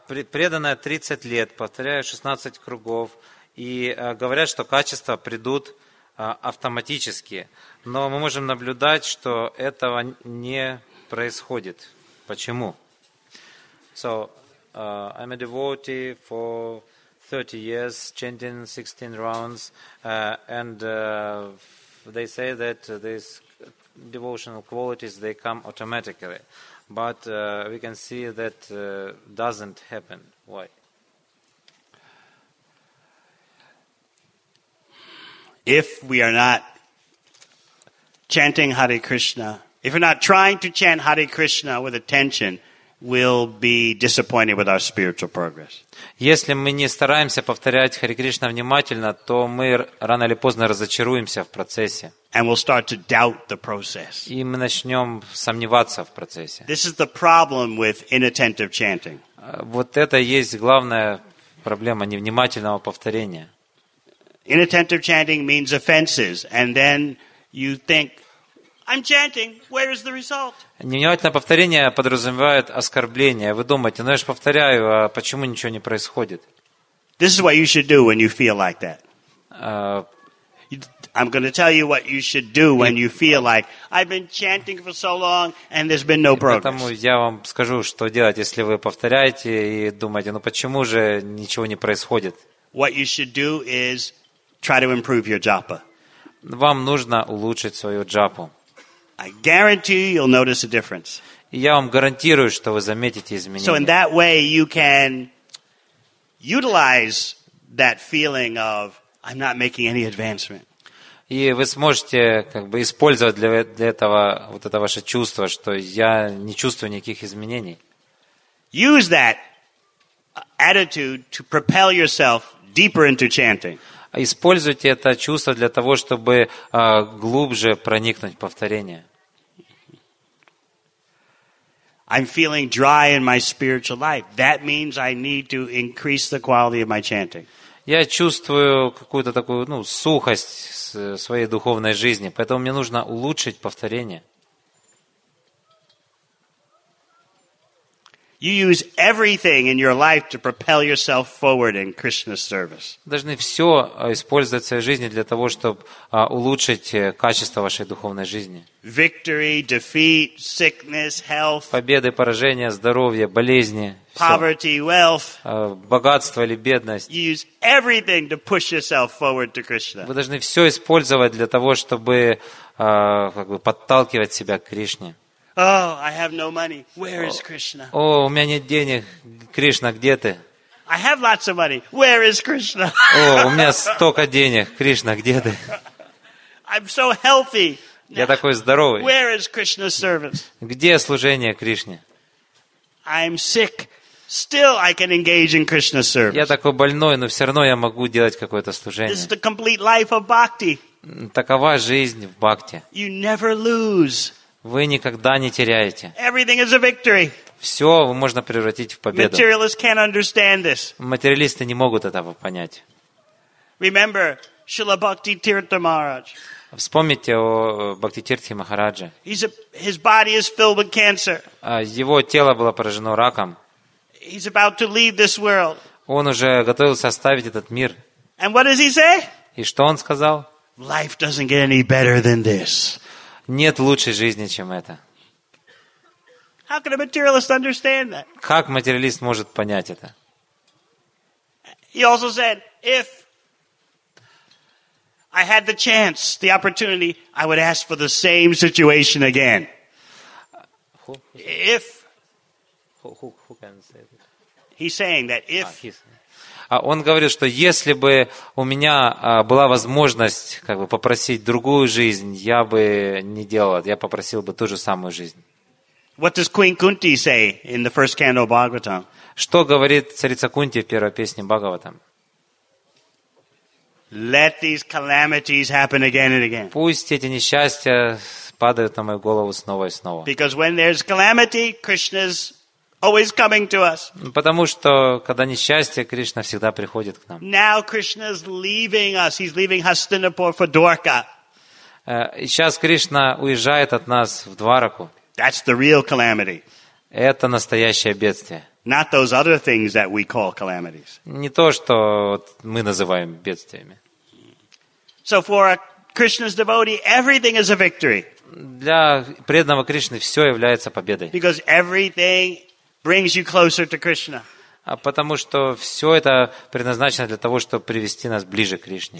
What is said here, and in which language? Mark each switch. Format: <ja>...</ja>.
<ru>Преданная 30 лет, повторяю 16 кругов, и говорят, что качества придут автоматически. Но мы можем наблюдать, что этого не происходит. Почему?</ru> <en>So, I'm a devotee for 30 years, chanting 16 rounds, and they say that these devotional qualities, they come automatically. But we can see that doesn't happen. Why? If we are not chanting Hare Krishna, if we're not trying to chant Hare Krishna with attention, we'll be disappointed with our spiritual progress.</en> <ru>Если мы не стараемся повторять Харе Кришна внимательно, то мы рано или поздно разочаруемся в процессе.</ru> <en>And we'll start to doubt the process.</en> <ru>И мы начнем сомневаться в процессе.</ru> <en>This is the problem with inattentive chanting.</en> <ru>Вот это есть главная проблема невнимательного повторения.</ru> <en>Inattentive chanting means offenses, and then you think, I'm chanting. Where is the result?</en> <ru>Невнимательное повторение подразумевает оскорбление. Вы думаете, ну я же повторяю, а почему ничего не происходит?</ru> <en>This is what you should do when you feel like that. I'm going to tell you what you should do when you feel like I've been chanting for so long and there's been no progress.</en> <ru>Поэтому я вам скажу, что делать, если вы повторяете и думаете, ну почему же ничего не происходит?</ru> <en>What you should do is try to improve your japa.</en> <ru>Вам нужно улучшить свою джапу.</ru> <en>I guarantee you'll notice a difference.</en> <ru>Я вам гарантирую, что вы заметите изменения.</ru> <en>So in that way you can utilize that feeling of I'm not making any advancement.</en> <ru>И вы сможете как бы использовать для этого вот это ваше чувство, что я не чувствую никаких изменений.</ru> <en>Use that attitude to propel yourself deeper into chanting.</en> <ru>Используйте это чувство для того, чтобы глубже проникнуть в повторение.</ru> <en>I'm feeling dry in my spiritual life. That means I need to increase the quality of my chanting.</en> <ru>Я чувствую какую-то такую, ну, сухость в своей духовной жизни, поэтому мне нужно улучшить повторение.</ru> <en>You use everything in your life to propel yourself forward in Krishna's service.</en> <ru>Должны все использовать в своей жизни для того, чтобы улучшить качество вашей духовной жизни.</ru> <en>Victory, defeat, sickness, health.</en> <ru>Победы, поражения, здоровье, болезни.</ru> <en>Poverty, wealth.</en> <ru>Богатство или бедность.</ru> <en>You use everything to push yourself forward to Krishna.</en> <ru>Вы должны все использовать для того, чтобы как бы подталкивать себя к Кришне.</ru> <en>Oh, I have no money. Where is Krishna?</en> <ru>Oh, у меня нет денег. Кришна, где ты?</ru> <en>I have lots of money. Where is Krishna?</en> <ru>Oh, у меня столько денег. Кришна, где ты?</ru> <en>I'm so healthy.</en> <ru>Я такой здоровый.</ru> <en>Where is Krishna's service?</en> <ru>Где служение Кришне?</ru> <en>I'm sick. Still, I can engage in Krishna's service.</en> <ru>Я такой больной, но все равно я могу делать какое-то служение.</ru> <en>This is the complete life of bhakti.</en> <ru>Такова жизнь в бхакти.</ru> <en>You never lose.</en> <ru>Вы никогда не теряете.</ru> <en>Everything is a victory.</en> <ru>Все можно превратить в победу.</ru> <en>Materialists can't understand this.</en> <ru>Материалисты не могут этого понять.</ru> <en>Remember Srila Bhakti Tirtha Maharaj.</en> <ru>Вспомните о Бхакти Тиртхе Махарадже.</ru> <en>His body is filled with cancer.</en> <ru>Его тело было поражено раком.</ru> <en>He's about to leave this world.</en> <ru>Он уже готовился оставить этот мир.</ru> <en>And what does he say?</en> <ru>И что он сказал?</ru> <en>Life doesn't get any better than this.</en> <ru>Нет лучшей жизни, чем это.</ru> <en>How can a materialist understand that?</en> <ru>Как материалист может понять это?</ru> <en>He also said, if I had the chance, the opportunity, I would ask for the same situation again. If who can say this? He's saying that if</en> <ru>он говорит, что если бы у меня была возможность как бы попросить другую жизнь, я бы не делал, я попросил бы ту же самую жизнь.</ru> <en>What does Queen Kunti say in the first canto of Bhagavatam?</en> <ru>Что говорит царица Кунти в первой песне Бхагаватам?</ru> <en>Let these calamities happen again and again.</en> <ru>Пусть эти несчастья падают на мою голову снова и снова.</ru> <en>Because when there's calamity, Krishna's always coming to us.</en> <ru>Потому что когда несчастье, Кришна всегда приходит к нам.</ru> <en>Now Krishna's leaving us. He's leaving Hastinapur for Dwarka.</en> <ru>Сейчас Кришна уезжает от нас в Двараку.</ru> <en>That's the real calamity.</en> <ru>Это настоящее бедствие.</ru> <en>Not those other things that we call calamities.</en> <ru>Не то, что мы называем бедствиями.</ru> <en>So for a Krishna's devotee, everything is a victory.</en> <ru>Для преданного Кришны все является победой.</ru> <en>Because everything brings you closer to Krishna.</en> <ru>А потому что все это предназначено для того, чтобы привести нас ближе к Кришне.</ru>